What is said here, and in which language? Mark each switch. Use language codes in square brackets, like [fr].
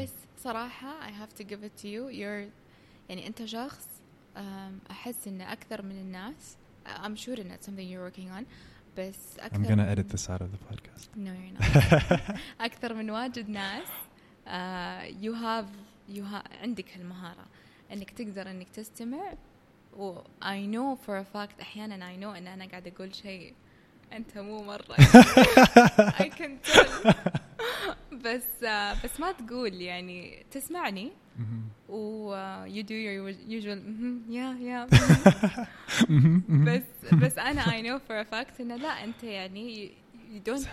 [ar] بس صراحة [en] I have to give it to you. You're [ar] يعني أنت شخص أحس إن أكثر من الناس [en] I'm sure that's something you're working on. [ar] بس أكثر [en] I'm gonna edit this out of the podcast. No, you're not. [ar] أكثر من واجد ناس [en] you have [ar] عندك هالمهارة إنك تقدر إنك تستمع. و [en] I know for a fact [ar] أحياناً [en] I know [ar] إن أنا قاعد أقول شيء. أنت مو مرة [en] I can tell [ar] بس ما تقول يعني تسمعني و [en] you do your usual yeah [ar] بس أنا [en] I know for a fact [ar] إنه لا أنت يعني [en] you don't